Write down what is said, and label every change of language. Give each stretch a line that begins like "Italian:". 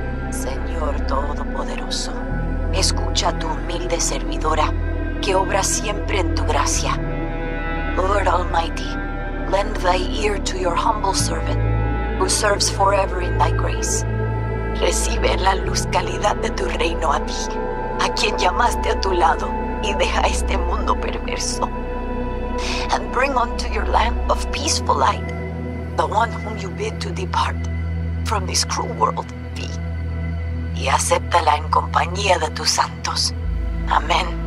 Spanish: Señor Todopoderoso, escucha tu humilde servidora, que obra siempre en tu gracia.
English: Lord Almighty, lend thy ear to your humble servant, who serves forever in thy grace.
Spanish: Recibe la luz calidad de tu reino a ti, a quien llamaste a tu lado, y deja este mundo perverso.
English: And bring unto your land of peaceful light the one whom you bid to depart from this cruel world, be.
Spanish: Y acéptala en compañía de tus santos. Amén.